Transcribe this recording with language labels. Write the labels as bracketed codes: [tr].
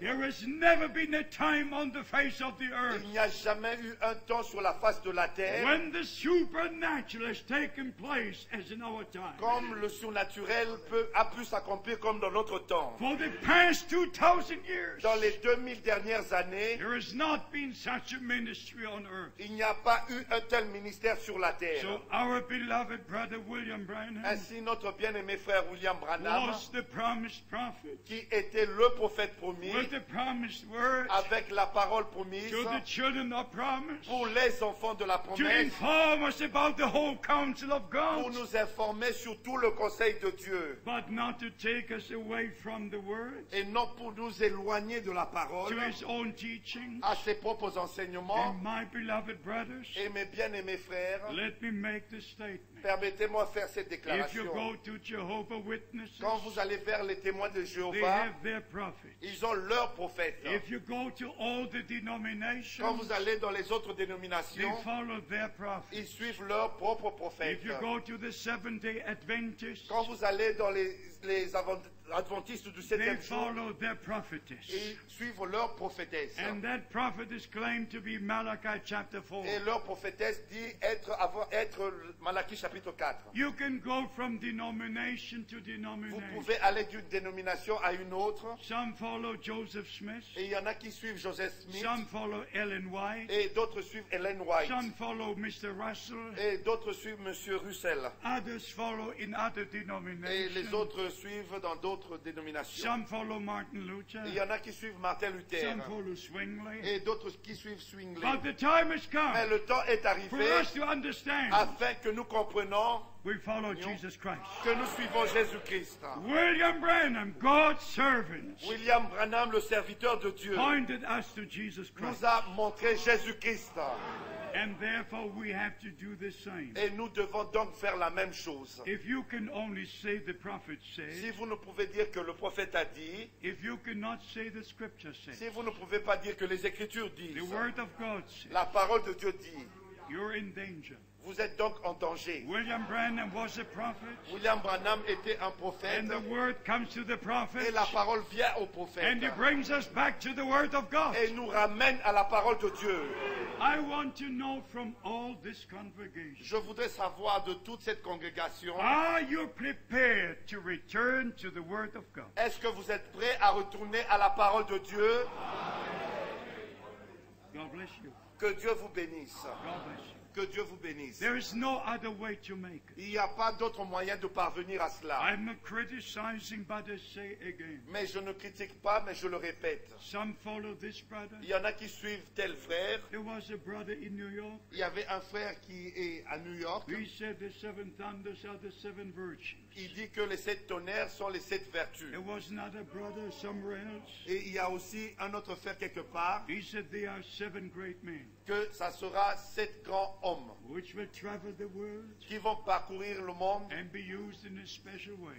[en] there has never been a time on the face of the earth, [fr] il n'y a jamais eu un temps sur la face de la terre, [en] when the supernatural has taken place as in our time. [fr] Comme le surnaturel a pu s'accomplir comme dans notre temps. [en] For the past 2000 years, [fr] dans les 2000 dernières années, [en] there has not been such a ministry on earth. [fr] Il n'y a pas eu un tel ministère sur la terre. [en] So our beloved brother William Branham, [fr] ainsi notre bien-aimé frère William Branham, [en] was the promised prophet, [fr] qui était le prophète promis, [en] with the promised words, [fr] avec la parole promise, [en] to the children of promise, [fr] pour les enfants de la promesse, [en] to inform us about the whole counsel of God, [fr] pour nous informer sur tout le conseil de Dieu, [en] but not to take us away from the words, [fr] et non pour nous éloigner de la parole, [en] to his own teachings, [fr] à ses propres enseignements. [en] And my beloved brothers, [fr] et mes bien-aimés frères, [en] let me make the statement. [fr] Permettez-moi de faire cette déclaration. [en] If you go to Jehovah's Witnesses, [fr] quand vous allez vers les témoins de Jéhovah, [en] they have their prophets. [fr] Ils ont leurs prophètes. [en] If you go to all the denominations, [fr] quand vous allez dans les autres dénominations, [en] they follow their prophets. [fr] Ils suivent leurs propres prophètes. [en] If you go to the Seventh-day Adventists, [fr] quand vous allez dans les Adventistes du septième [en] jour, they follow their prophetess. [fr] Ils suivent leur prophétesse. [en] And that prophetess claimed to be Malachi chapter 4. [fr] Et leur prophétesse dit être Malachi chapitre 4. [en] You can go from denomination to denomination. [fr] Vous pouvez aller d'une dénomination à une autre. [en] Some follow Joseph Smith. [fr] Et il y en a qui suivent Joseph Smith. [en] Some follow Ellen White. [fr] Et d'autres suivent Ellen White. [en] Some follow Mr. Russell. [fr] Et d'autres suivent Monsieur Russell. [en] Others follow in other denominations. [fr] Et les autres suivent dans d'autres dénominations. [en] Some follow Martin Luther. [fr] Il y en a qui suivent Martin Luther. [en] Some follow Zwingli. [fr] Et d'autres qui suivent Zwingli. [en] But the time has come. [fr] Mais le temps est arrivé. [en] For us to understand. [fr] Afin que nous comprenions. [en] We follow Jesus Christ. [fr] Que nous suivons Jésus Christ. [en] William Branham, God's servant. [fr] William Branham, le serviteur de Dieu. [en] Pointed us to Jesus Christ. [fr] Nous a montré Jésus Christ. [en] And therefore we have to do the same. [fr] Et nous devons donc faire la même chose. [en] If you can only say the prophet said, [fr] si vous ne pouvez dire que le prophète a dit, [en] if you cannot say the scripture said, [fr] si vous ne pouvez pas dire que les Écritures disent, [en] the word of God said, [fr] la parole de Dieu dit, [en] you're in danger. [fr] Vous êtes donc en danger. [en] William Branham was a prophet. [fr] William Branham était un prophète. [en] And the word comes to the prophet. [fr] Et la parole vient au prophète. [en] And he brings us back to the word of God. [fr] Et nous ramène à la parole de Dieu. [en] I want to know from all this congregation. [fr] Je voudrais savoir de toute cette congrégation. [en] Are you prepared to return to the word of God? [fr] Est-ce que vous êtes prêt à retourner à la parole de Dieu? [en] God bless you. [fr] Que Dieu vous bénisse. [en] God bless you. [fr] Que Dieu vous bénisse. [en] There is no other way to make it. [fr] Il n'y a pas d'autre moyen de parvenir à cela. [en] I'm not criticizing, but I say again. [fr] Mais je ne critique pas, mais je le répète. [en] Some follow this brother. [fr] Il y en a qui suivent tel frère. [en] There was a brother in New York. [fr] Il y avait un frère qui est à New York. [en] He said the seven thunders are the seven virtues. [fr] Il dit que les sept tonnerres sont les sept vertus. [en] There was another brother somewhere else. [fr] Et il y a aussi un autre frère quelque part. [en] He said they are seven great men. [fr] Que ça sera sept grands hommes. [en] Which will travel the world. [fr] Qui vont parcourir le monde. [en] And be used in a special way.